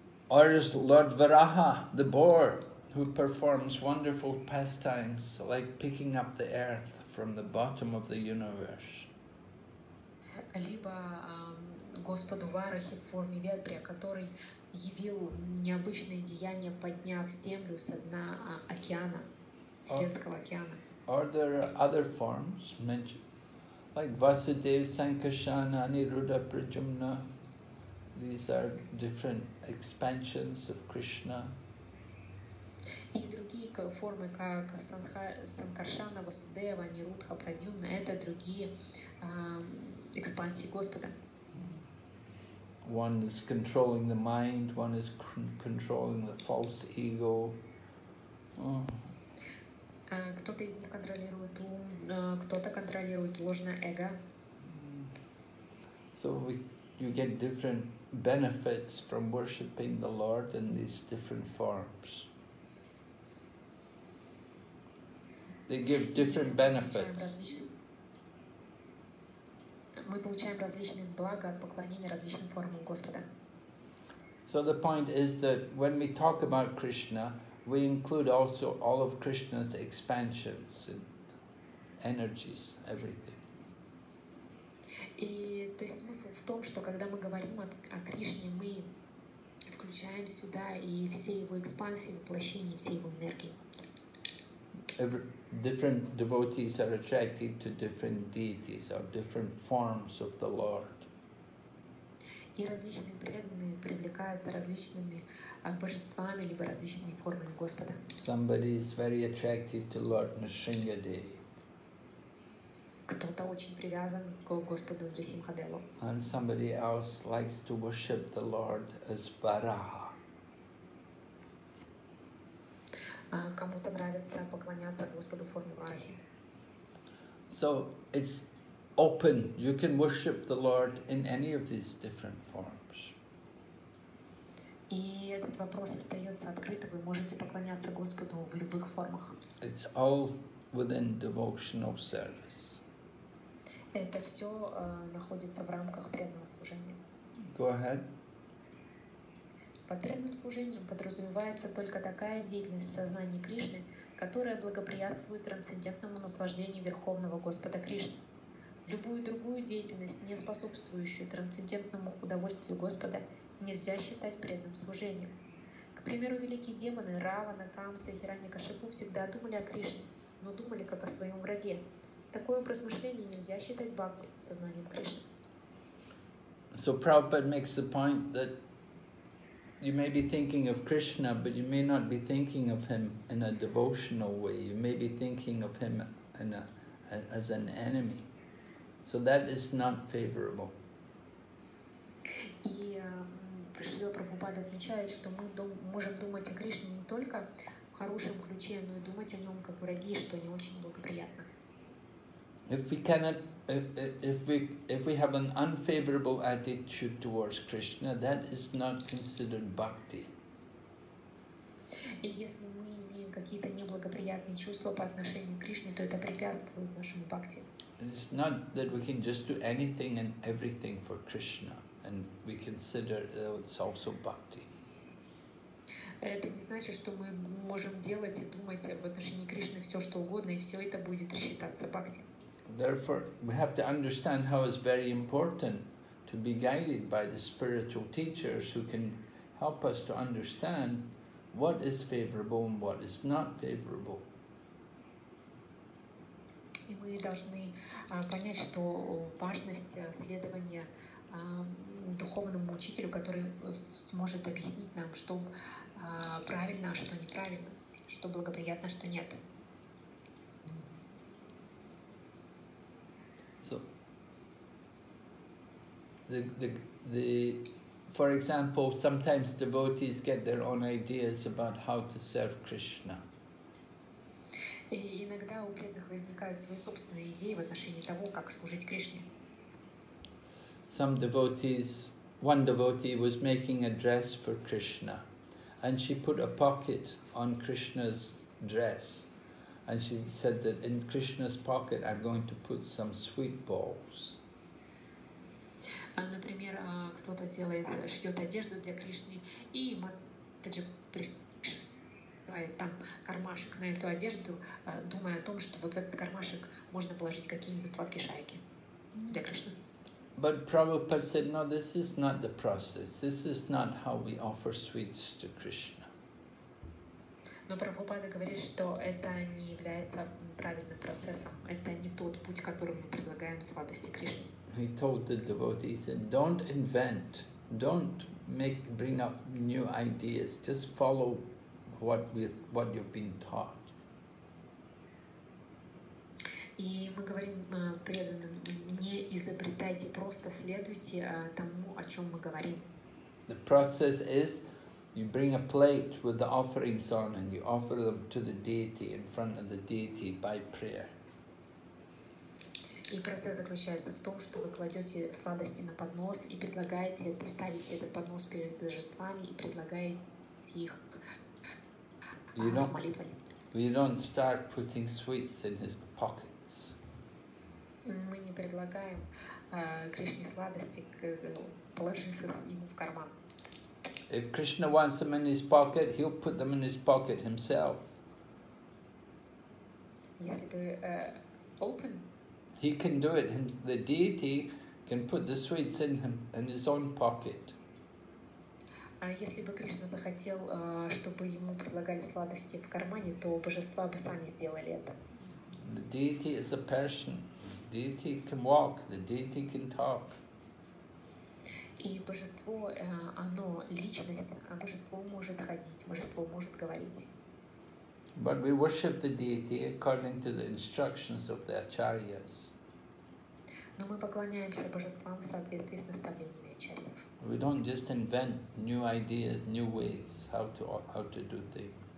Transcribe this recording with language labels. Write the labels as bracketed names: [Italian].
[English] Or is Lord Varaha, the boar, who performs wonderful pastimes like picking up the earth from the bottom of the universe? [Russian] Либо Господу Варахе в форме ветря, который явил необычные деяния, подняв землю с дна океана, Вселенского океана. [English] Or there are other forms mentioned, like Vasudeva, Sankarsana, Aniruddha, Prajumna. These are different expansions of Krishna. [Russian] И другие формы, как Санкаршана, Васудева, Нирудха, Прадьюмна, это другие экспансии Господа. [English] One is controlling the mind, one is controlling the false ego. [Russian] Кто-то из них контролирует ум, кто-то контролирует ложное эго. [English] So you get different benefits from worshipping the Lord in these different forms. They give different benefits. [Russian] Мы получаем различные блага от поклонения различным формам Господа. [English] So the point is that when we talk about Krishna, we include also all of Krishna's expansions and energies, everything. [Russian] И то есть смысл в том, что когда мы говорим о Кришне, мы включаем сюда и все его экспансии, воплощение, все его энергии. [English] Different devotees are attracted to different deities or different forms of the Lord. [Russian] И различные преданные привлекаются различными божествами либо различными формами Господа. [English] Somebody is very attracted to Lord Nrisimhadev. [Russian] Кто-то очень привязан к Господу Нрисимхадеву. [English] And somebody else likes to worship the Lord as Varaha. [Russian] Кому-то нравится поклоняться Господу в форме Варахи. [English] So it's open. You can worship the Lord in any of these different forms. [Russian] И этот вопрос остается открытым. Вы можете поклоняться Господу в любых формах. [English] It's all within devotional service. [Russian] Это все находится в рамках преданного служения. [English] Go ahead. [Russian] Под преданным служением подразумевается только такая деятельность в сознании Кришны, которая благоприятствует трансцендентному наслаждению Верховного Господа Кришны. Любую другую деятельность, не способствующую трансцендентному удовольствию Господа, нельзя считать преданным служением. К примеру, великие демоны Равана, Камса и Хираньякашипу всегда думали о Кришне, но думали как о своем враге. Такое образ мышления нельзя считать бхакти, сознанием Кришны. [English] So Prabhupada makes the point that you may be thinking of Krishna, but you may not be thinking of him in a devotional way. You may be thinking of him in as an enemy. So that is not favorable. [Russian] И Шрила Прабхупада отмечает, что мы можем думать о Кришне не только в хорошем ключе, но и думать о нем как враги, что не очень благоприятно. [English] If we have an unfavorable attitude towards Krishna, that is not considered bhakti. [Russian] И если мы имеем какие-то неблагоприятные чувства по отношению к Кришне, то это препятствует нашему бхакти. [English] It's not that we can just do anything and everything for Krishna, and we consider that it's also bhakti. [Russian] Это не значит, что мы можем делать и думать в отношении Кришны все что угодно, и все это будет считаться бхакти. [English] Therefore, we have to understand how it's very important to be guided by the spiritual teachers who can help us to understand what is favorable and what is not favorable. [Russian] И мы должны понять, что важность следования духовному учителю, который сможет объяснить нам, что правильно, а что неправильно, что благоприятно, что нет. [English] The for example, sometimes devotees get their own ideas about how to serve Krishna. [Russian] Иногда у преданных возникают свои собственные идеи в отношении того, как служить Кришне. [English] One devotee was making a dress for Krishna, and she put a pocket on Krishna's dress, and she said that in Krishna's pocket I'm going to put some sweet balls. [Russian] Например, кто-то шьет одежду для Кришны, и Матаджи пришивает там кармашек на эту одежду, думая о том, что вот в этот кармашек можно положить какие-нибудь сладкие шарики для Кришны. [English] But Prabhupada said, no, this is not the process. This is not how we offer sweets to Krishna. [Russian] Но Прабхупада говорит, что это не является правильным процессом. Это не тот путь, которым мы предлагаем сладости Кришне. [English] He told the devotee, he said, don't invent, don't bring up new ideas, just follow what you've been taught. [Russian] И мы говорим преданным, не изобретайте, просто следуйте тому, о чем мы говорим. [English] The process is You bring a plate with the offerings on and you offer them to the deity in front of the deity by prayer. [Russian] И процесс заключается в том, что вы кладете сладости на поднос и предлагаете, ставите этот поднос перед божествами и предлагаете их с молитвой. [English] You don't start putting sweets in his pockets. [Russian] Мы не предлагаем Кришне сладости, положив их ему в карман. [English] If Krishna wants them in his pocket, he'll put them in his pocket himself. [Russian] Если бы [English] open. He can do it. The deity can put the sweets in him in his own pocket. [Russian] Если бы Кришна захотел, чтобы ему предлагали сладости в кармане, то божества бы сами сделали это. [English] The deity is a person. The deity can walk. The deity can talk. [Russian] И божество, оно личность, а божество может ходить, божество может говорить. [English] But we worship the deity according to the instructions of the acharyas. [Russian] Но мы поклоняемся божествам в соответствии с наставлениями ачарьев. [English] We don't just invent new ideas, new ways how to do things.